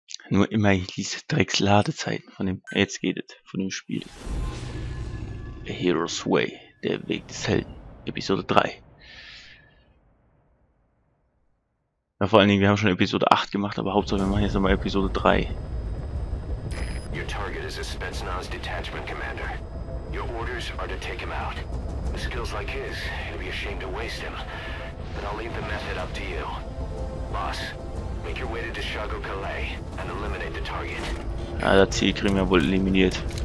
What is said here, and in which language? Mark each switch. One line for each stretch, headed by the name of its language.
German: Nur immer diese Drecksladezeiten von dem, jetzt geht es, von dem Spiel.
English: A Hero's Way,
German: der Weg des Helden, Episode 3. Ja, vor allen Dingen, wir haben schon Episode 8 gemacht, aber Hauptsache wir machen jetzt nochmal Episode 3.
English: Your target is a Spetsnaz Detachment Commander. Your orders are to take him out. With skills like his, it'd be a shame to waste him. But I'll leave the method up to you. Boss, make your way to Deshago Calais and eliminate the target.
German: Ah, das Ziel kriegen wir wohl eliminiert.